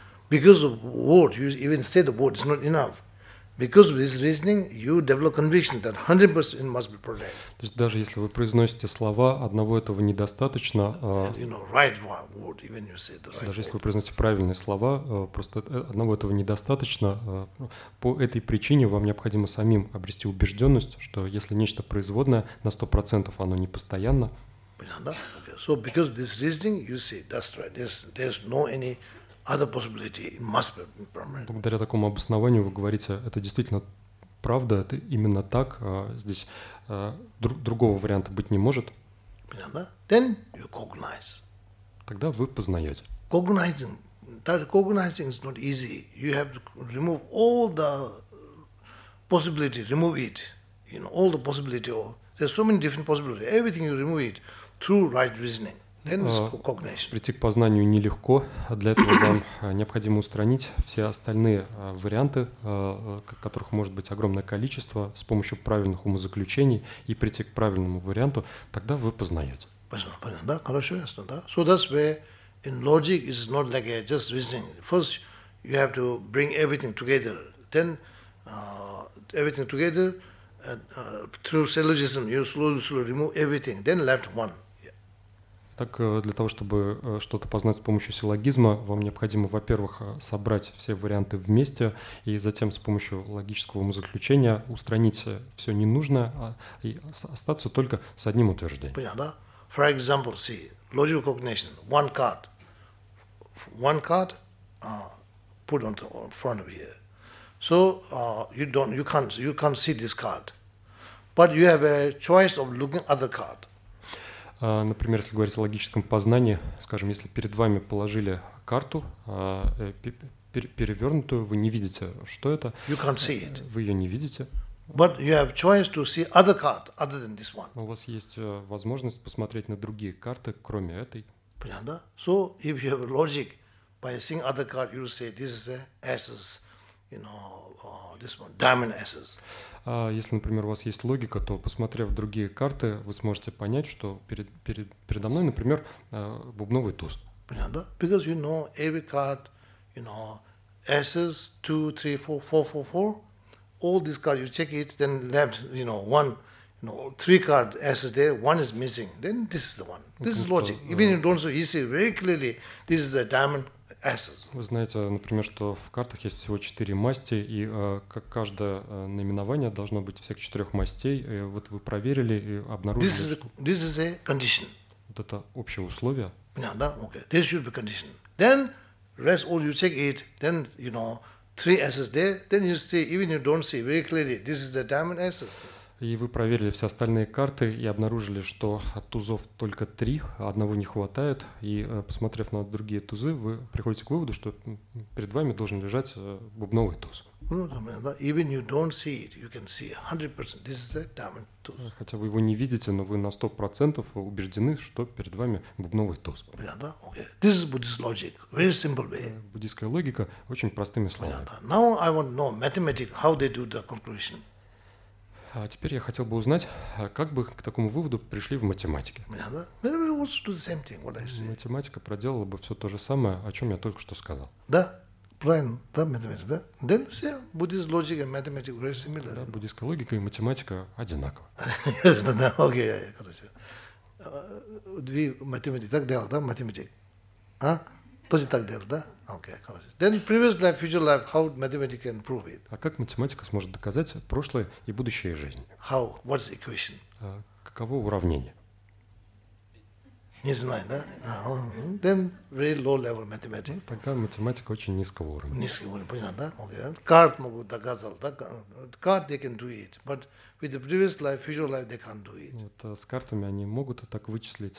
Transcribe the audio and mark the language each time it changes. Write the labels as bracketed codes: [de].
[en] Because of word, you even say the word is not enough. Because of this reasoning, you develop conviction that 100% must be protected. [ru] То есть даже если вы произносите слова, одного этого недостаточно. [en] You know, right word, even you say the right. [ru] Даже если вы произносите правильные слова, просто одного этого недостаточно. По этой причине вам необходимо самим обрести убежденность, что если нечто производное на 100%, оно не постоянно. Понятно? Okay. [en] So because of this reasoning, you say that's right. There's no any. Other possibility must be impermanent. [ru] Благодаря такому обоснованию вы говорите, это действительно правда, это именно так, здесь другого варианта быть не может. [en] Then you cognize. [ru] Тогда вы познаете. [en] Cognizing, that cognizing is not easy. You have to remove all the possibility, remove it. You know, all the possibility, there's so many different possibilities. Everything you remove it through right reasoning. [ru] Прийти к познанию нелегко, для этого вам необходимо устранить все остальные варианты, которых может быть огромное количество, с помощью правильных умозаключений и прийти к правильному варианту, тогда вы познаете. Понятно, да? Хорошо, ясно, да? [en] So that's where in logic is not like a just reasoning. First, you have to bring everything together. Then everything together through syllogism, you slowly remove everything, then left one. [ru] Так для того, чтобы что-то познать с помощью силлогизма, вам необходимо, во-первых, собрать все варианты вместе и затем с помощью логического умозаключения устранить все ненужное и остаться только с одним утверждением. Понятно, да? [en] For example, see, logical cognition, one card put on the front of here. So you can't see this card, but you have a choice of looking other card. [ru] Например, если говорить о логическом познании, скажем, если перед вами положили карту, перевернутую, вы не видите, что это. [en] You can't see it. [ru] Вы ее не видите. [en] But you have choice to see other card other than this one. [ru] Но у вас есть возможность посмотреть на другие карты, кроме этой. Понятно, да? [en] So if you have logic, by seeing other card, you say this is S's, you know, this one, diamond S's. [ru] Если, например, у вас есть логика, то, посмотрев другие карты, вы сможете понять, что передо мной, например, бубновый туз. Понятно, да? [en] Because you know every card, you know, S's, 2, 3, 4, 4, 4, 4, all these cards, you check it, then left, you know, one, you know, three card S's there, one is missing, then this is the one. This is logic. Even you don't see, you see very clearly, this is a diamond. [ru] Вы знаете, например, что в картах есть всего 4 масти, и как каждое наименование должно быть всех 4 мастей. И вот вы проверили и обнаружили. [en] This is a condition. [ru] Вот это общее условие. Понятно, да? [en] Okay. This should be condition. Then rest all you check it. Then you know three S's there. Then you see even you don't see very clearly. This is the diamond S's. [ru] И вы проверили все остальные карты и обнаружили, что тузов только 3, одного не хватает. И, посмотрев на другие тузы, вы приходите к выводу, что перед вами должен лежать бубновый туз. [en] Even you don't see it, you can see 100%. This is a diamond tooth. [ru] Хотя вы его не видите, но вы на 100% убеждены, что перед вами бубновый туз. [en] Понятно? Okay. This is Buddhist logic. Very simple way. [ru] Буддийская логика очень простыми словами. Понятно? [en] Now I want to know mathematics, how they do the conclusion. [ru] А теперь я хотел бы узнать, как бы к такому выводу пришли в математике. Математика проделала бы все то же самое, о чем я только что сказал. Да, правильно, да, математика, да? [en] Then same, Buddhist logic and mathematics very similar. [ru] Да, буддийская логика и математика одинаковы. Да, да, окей, хорошо. Две математики, так дело, да, математик? А? Тоже так делал, да? Okay, хорошо. [en] Then previous life, future life, how mathematics can prove it? [ru] А как математика сможет доказать прошлое и будущее жизни? [en] How? What's the equation? [ru] Каково уравнение? Не знаю, да? [en] Uh-huh. Then very low level mathematics. [ru] Ну, тогда математика очень низкого уровня. Низкого уровня, понятно, да? Okay. Карт могут доказать, да? [en] Карт they can do it, but with the previous life, future life they can't do it. [ru] Вот с картами они могут так вычислить.